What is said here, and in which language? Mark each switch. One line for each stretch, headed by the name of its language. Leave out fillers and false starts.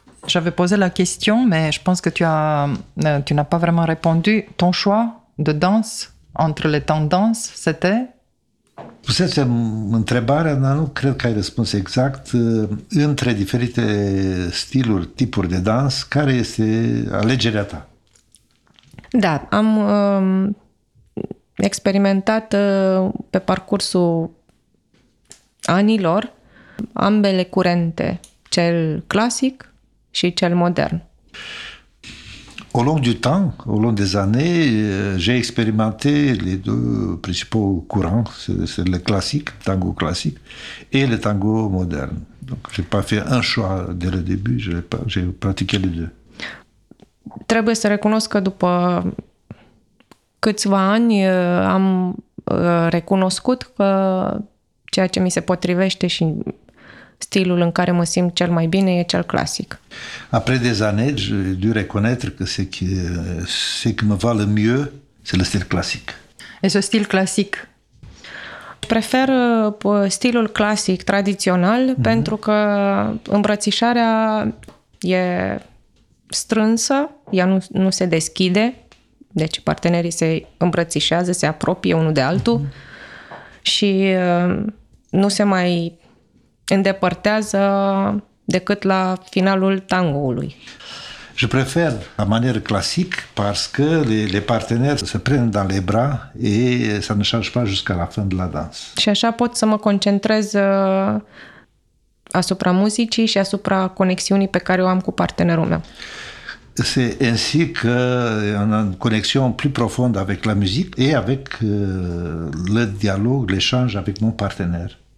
French: J'avais posé la question, mais je pense que tu n'as pas vraiment répondu. Ton choix de danse entre les tendances, c'était?
Romanian: Puseți întrebarea, dar nu cred că ai răspuns exact, între diferite stiluri, tipuri de dans, care este alegerea ta? Da, am experimentat pe parcursul anilor ambele curente, cel clasic și cel modern.
French: Au long du temps, au long des années, j'ai expérimenté les deux principaux courants, c'est le classique, le tango classique, et le tango moderne. Donc, je n'ai pas fait un choix dès le début, j'ai pratiqué les deux.
Romanian: Trebuie să recunosc că după câțiva ani am recunoscut că ceea ce mi se potrivește și stilul în care mă simt cel mai bine e cel clasic.
French: Après des années, j'ai dû reconnaître que ce qui me va le mieux, c'est le style classique. Et ce style classique?
Romanian: Prefer stilul clasic, tradițional, mm-hmm. pentru că îmbrățișarea e strânsă, ea nu se deschide, deci partenerii se îmbrățișează, se apropie unul de altul și nu se mai îndepărtează decât la finalul tangoului.
French: Je prefer la manière classique parce que les partenaires se prennent dans les bras et ça ne change pas jusqu'à la fin de la danse.
Romanian: Și așa pot să mă concentrez asupra muzicii și asupra conexiunii pe care o am cu partenerul meu.
French: C'est ainsi que on a une connexion plus profonde avec la musique et avec le dialogue, l'échange avec mon partenaire.